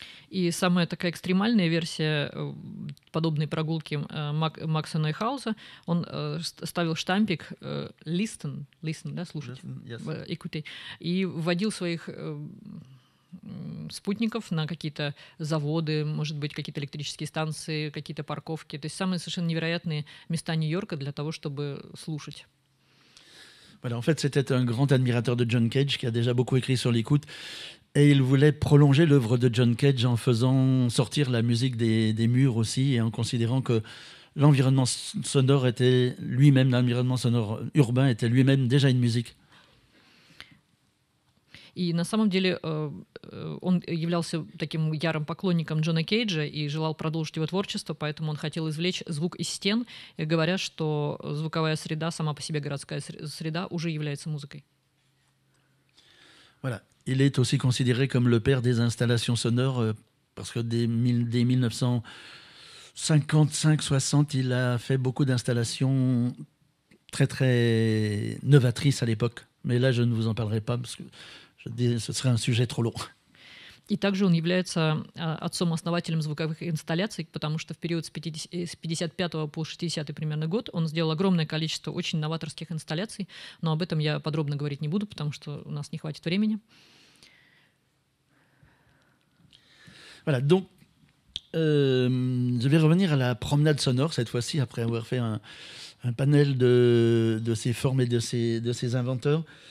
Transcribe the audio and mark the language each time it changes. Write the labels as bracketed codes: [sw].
[ru] И самая такая экстремальная версия подобной прогулки Макса Нойхауза, он ставил штампик listen, да, слушать, [en] listen, yes. [ru] И вводил своих спутников на какие-то заводы, может быть, какие-то электрические станции, какие-то парковки, то есть самые совершенно невероятные места Нью-Йорка для того, чтобы слушать. [fr] Voilà, en fait, c'était un grand admirateur de John Cage qui a déjà beaucoup écrit sur l'écoute. Et il voulait prolonger l'œuvre de John Cage en faisant sortir la musique des murs aussi et en considérant que l'environnement sonore était lui-même, l'environnement sonore urbain était lui-même déjà une musique. [ru] И на самом деле он являлся таким ярым поклонником Джона Кейджа и желал продолжить его творчество, поэтому он хотел извлечь звук из стен, говоря, что звуковая среда, сама по себе городская среда, уже является музыкой. [fr] Voilà. Il est aussi considéré comme le père des installations sonores parce que dès 1955-60, il a fait beaucoup d'installations très très novatrices à l'époque. Mais là, je ne vous en parlerai pas parce que ce serait un sujet trop long. [ru] И также он является отцом-основателем звуковых инсталляций, потому что в период с 55 по 60 примерно год он сделал огромное количество очень новаторских инсталляций. Но об этом я подробно говорить не буду, потому что у нас не хватит времени. [fr] Voilà, donc je vais revenir à la promenade sonore cette fois-ci, après avoir fait un panel de ces formes et de ces inventeurs.